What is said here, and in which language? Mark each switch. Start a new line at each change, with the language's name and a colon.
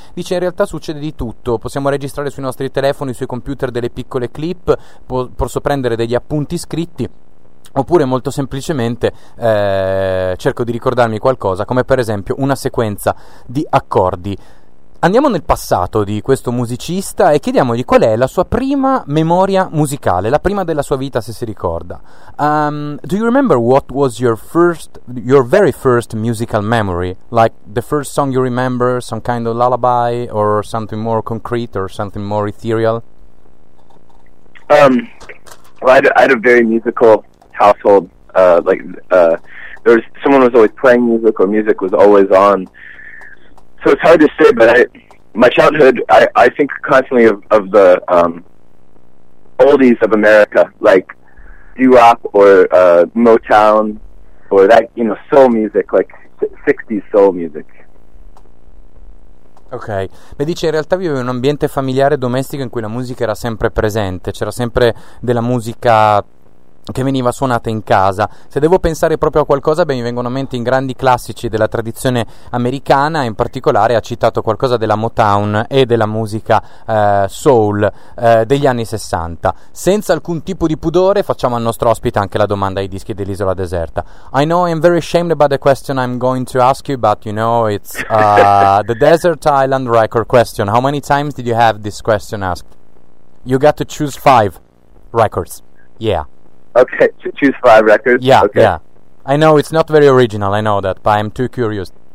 Italian: Dice in realtà succede di tutto, possiamo registrare sui nostri telefoni, sui computer delle piccole clip, posso prendere degli appunti scritti oppure molto semplicemente cerco di ricordarmi qualcosa, come per esempio una sequenza di accordi. Andiamo nel passato di questo musicista e chiediamogli qual è la sua prima memoria musicale, la prima della sua vita, se si ricorda.
English: Do you remember what was your very first musical memory? Like the first song you remember, some kind of lullaby or something more concrete or something more ethereal? I had a very musical household. There was, someone was always playing music or music was always on. So it's hard to say, but my childhood, I think constantly of the oldies of America, like doo-wop or Motown or that, you know, soul music, like 60s soul music.
Italian: Ok, mi dice in realtà vive in un ambiente familiare domestico in cui la musica era sempre presente, c'era sempre della musica che veniva suonata in casa. Se devo pensare proprio a qualcosa, beh, mi vengono in mente i grandi classici della tradizione americana, in particolare ha citato qualcosa della Motown e della musica soul degli anni 60. Senza alcun tipo di pudore facciamo al nostro ospite anche la domanda ai dischi dell'Isola Deserta.
English: I know I'm very ashamed about the question I'm going to ask you, but you know it's the Desert Island Record question. How many times did you have this question asked? You got to choose 5 records. Yeah. Okay, to choose 5 records? Yeah, okay. Yeah. I know it's not very original, I know that, but I'm too curious.